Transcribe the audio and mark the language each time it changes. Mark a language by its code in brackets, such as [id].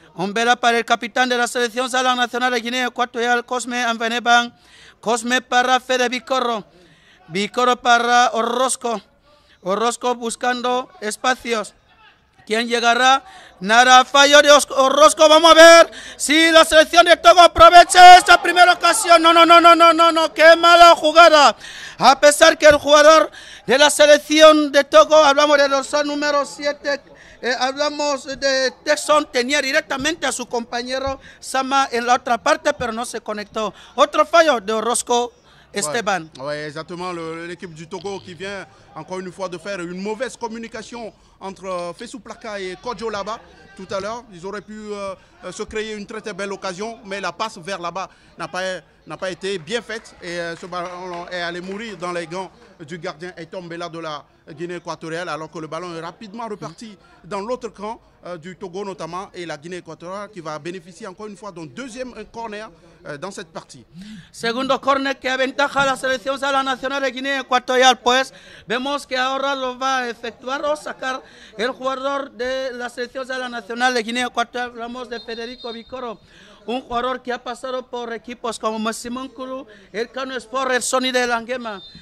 [fr] On verra par le capitaine de la sélection de la nationale de Guinée équatoriale, Cosme Anveneban. [es] Cosme para Fede Bicorro. Bicorro para Orozco. Orozco buscando espacios. ¿Quién llegará? Nada, fallo de Orozco. Vamos a ver si la selección de Togo aprovecha esta primera ocasión. No. Qué mala jugada. A pesar que el jugador de la selección de Togo, hablamos de los número 7, hablamos de Texon, tenía directamente a su compañero Sama en la otra parte, pero no se conectó. Otro fallo de Orozco. Esteban. [fr] Ouais, exactement, l'équipe du Togo qui vient encore une fois de faire une mauvaise communication entre Fessou Plaka et Kodjo là-bas tout à l'heure. Ils auraient pu se créer une très belle occasion, mais la passe vers là-bas n'a pas été bien faite et ce ballon est allé mourir dans les gants du gardien Eiton Bella de la Guinée équatoriale, alors que le ballon est rapidement reparti dans l'autre camp du Togo notamment et la Guinée équatoriale qui va bénéficier encore une fois d'un deuxième corner dans cette partie. [es] Segundo corner que aventaja la selección de la nacional de Guinée équatoriale, pues vemos que ahora lo va a efectuar o sacar el jugador de la selección de la nacional de Guinée équatoriale, hablamos de Federico Bicorro. Un jugador que ha pasado por equipos como Massimo Nkulu, el Cano Sport, el Sony de Langema.